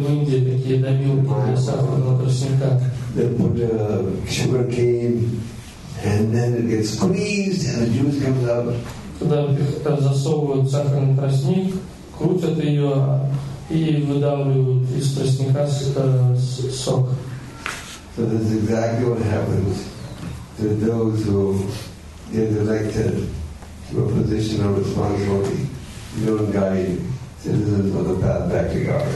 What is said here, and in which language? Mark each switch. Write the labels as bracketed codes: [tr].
[ru] в Индии такие добилки для сахарного тростника. [en] They put a sugar cane and then it gets squeezed and the juice comes out. [ru] Когда засовывают сахарный тростник, крутят ее и выдавливают из тростника сок. [en] So this is exactly what happens to those who get elected to a position of responsibility, don't guide citizens on the path back to God.